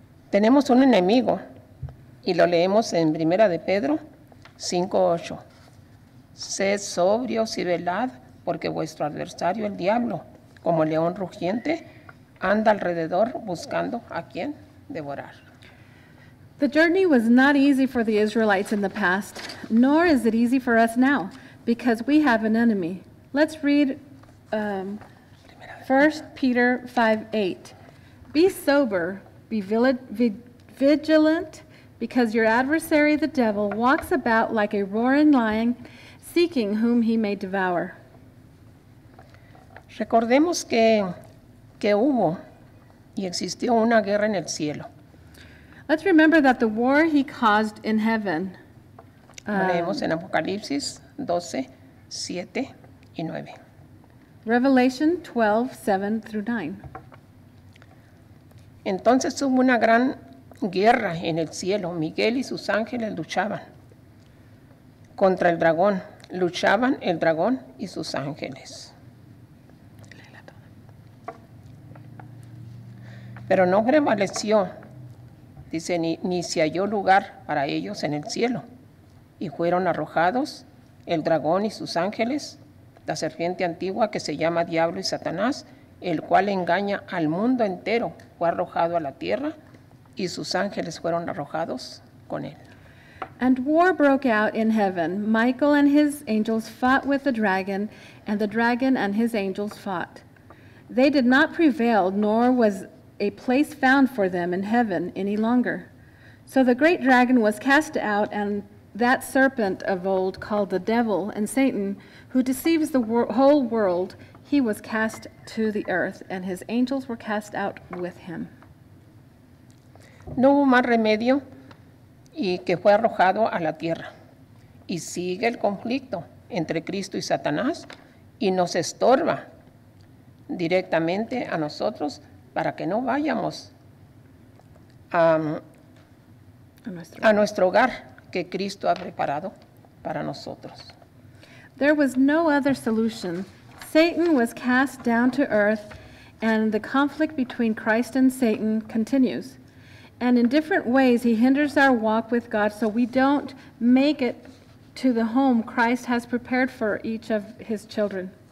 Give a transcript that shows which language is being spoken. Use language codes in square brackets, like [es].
[es] Tenemos un enemigo y lo leemos en Primera de Pedro 5:8. Sed sobrios y velad, porque vuestro adversario, el diablo, como león rugiente, anda alrededor buscando a quien devorar. [en] The journey was not easy for the Israelites in the past, nor is it easy for us now, because we have an enemy. Let's read 1 Peter 5:8. Be sober, be vigilant, because your adversary, the devil, walks about like a roaring lion, seeking whom he may devour. [es] Recordemos que hubo y existió una guerra en el cielo. [en] Let's remember that the war he caused in heaven. [es] Leemos en Apocalipsis 12:7-9. [en] Revelation 12:7-9. [es] Entonces hubo una gran guerra en el cielo. Miguel y sus ángeles luchaban contra el dragón. Luchaban el dragón y sus ángeles. Pero no prevaleció. Dice, ni se halló lugar para ellos en el cielo. Y fueron arrojados el dragón y sus ángeles, la serpiente antigua que se llama Diablo y Satanás, el cual engaña al mundo entero, fue arrojado a la tierra y sus ángeles fueron arrojados con él. [en] And war broke out in heaven. Michael and his angels fought with the dragon, and the dragon and his angels fought. They did not prevail, nor was a place found for them in heaven any longer. So the great dragon was cast out, and that serpent of old called the devil and Satan, who deceives the whole world, he was cast to the earth, and his angels were cast out with him. [es] No hubo más remedio y que fue arrojado a la tierra. Y sigue el conflicto entre Cristo y Satanás y nos estorba directamente a nosotros para que no vayamos a nuestro hogar que Cristo ha preparado para nosotros. [en] There was no other solution. Satan was cast down to earth, and the conflict between Christ and Satan continues. And in different ways, he hinders our walk with God so we don't make it to the home Christ has prepared for each of his children.